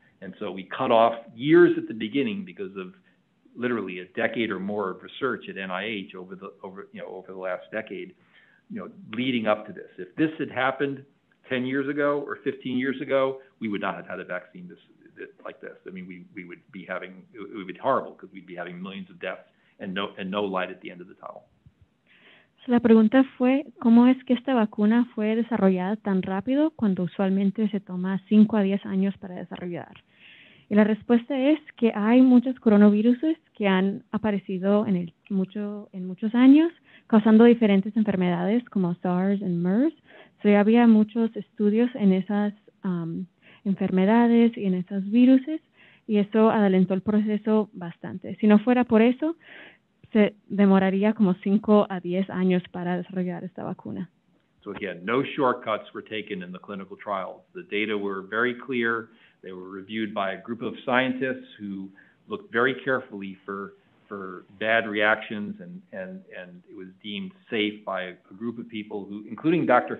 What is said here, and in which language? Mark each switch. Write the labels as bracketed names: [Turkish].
[English] And so we cut off years at the beginning because of literally a decade or more of research at NIH over the last decade, leading up to this. If this had happened 10 years ago or 15 years ago, we would not have had a vaccine like this. I mean, we would be having, it would be horrible because we'd be having millions of deaths and no light at the end of the tunnel. [Spanish] La pregunta fue, ¿cómo es que esta vacuna fue desarrollada tan rápido cuando usualmente se toma 5 a 10 años para desarrollar? Y la respuesta es que hay muchos coronaviruses que han aparecido en muchos años, causando diferentes enfermedades como SARS y MERS. So, ya había muchos estudios en esas enfermedades y en esos viruses, y eso adelantó el proceso bastante. Si no fuera por eso, se demoraría como [English] 5 to 10 years [Spanish] para desarrollar esta vacuna. [English] So again, no shortcuts were taken in the clinical trials. The data were very clear. They were reviewed by a group of scientists who looked very carefully for bad reactions, and it was deemed safe by a group of people, who, including Dr.